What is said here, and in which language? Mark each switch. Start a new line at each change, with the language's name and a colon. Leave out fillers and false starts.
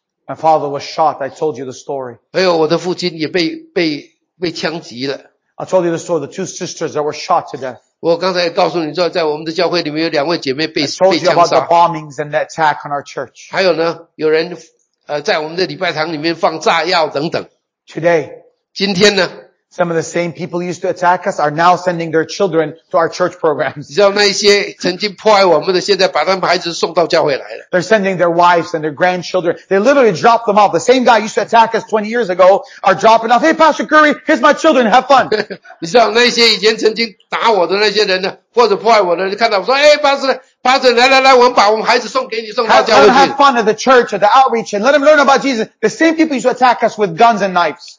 English: My father was shot, I told you the story.
Chinese: 还有我的父亲也被枪击了。
English: I told you the story, the two sisters that were shot to death.
Chinese: 我刚才告诉你，在我们的教会里面有两位姐妹被枪杀。
English: I told you about the bombings and the attack on our church.
Chinese: 还有呢，有人在我们的礼拜堂里面放炸药等等。
English: Today.
Chinese: 今天呢？
English: Some of the same people used to attack us are now sending their children to our church programs.
Chinese: 你知道那些曾经迫害我们的，现在把他们孩子送到教会来了。
English: They're sending their wives and their grandchildren. They literally drop them off. The same guy used to attack us 20 years ago are dropping off. Hey, Pastor Curry, here's my children. Have fun.
Chinese: 你知道那些以前曾经打我的那些人呢，或者迫害我的人，看到我说，哎， Pastor，来来来，我们把我们孩子送给你，送到教会去。
English: Have fun at the church, at the outreach, and let them learn about Jesus. The same people used to attack us with guns and knives.